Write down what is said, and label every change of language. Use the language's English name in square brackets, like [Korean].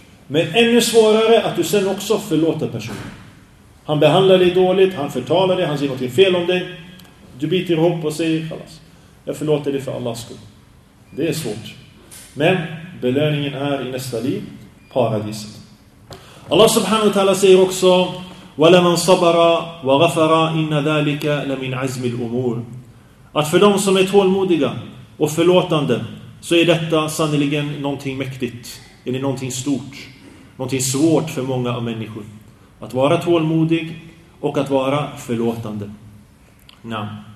[Swedish] Men ännu svårare att du sen också förlåter personen. Han behandlar dig dåligt, han förtalar dig, han säger något fel om dig. Du biter ihop och säger, kallas, jag förlåter dig för Allahs skull. Det är svårt. Men belöningen är i nästa liv paradiset. [Arabic] Allah subhanahu wa ta'ala [Swedish] säger också, [Arabic] وَلَمَنْ صَبَرَ وَغَفَرَ إِنَّ ذَلِكَ لَمِنْ عَزْمِ الْأُمُورِ. [Swedish] Att för de som är tålmodiga och förlåtande så är detta sannoligen någonting mäktigt. Eller någonting stort. Någonting svårt för många av människor. Att vara tålmodig och att vara förlåtande. Naam.